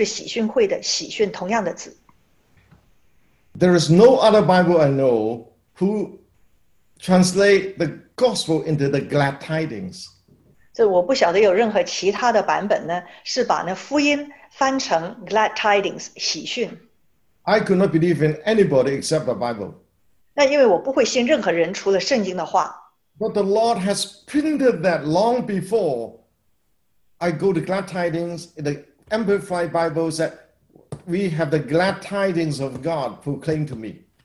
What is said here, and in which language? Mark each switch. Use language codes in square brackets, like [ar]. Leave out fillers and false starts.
[zh] 中文就是喜讯,没有我们听到这个喜讯,就是喜讯会的喜讯同样的字。 [en] There is no other Bible I know who translate the gospel into the glad tidings. [zh] 这我不晓得有任何其他的版本呢，是把那福音翻成 [en] glad tidings [zh] 喜讯。 [en] I could not believe in anybody except the Bible. [zh] 那因为我不会信任何人除了圣经的话。 [en] But the Lord has printed that long before I go to glad tidings in the Amplified Bible that we have the glad tidings of God proclaimed to me.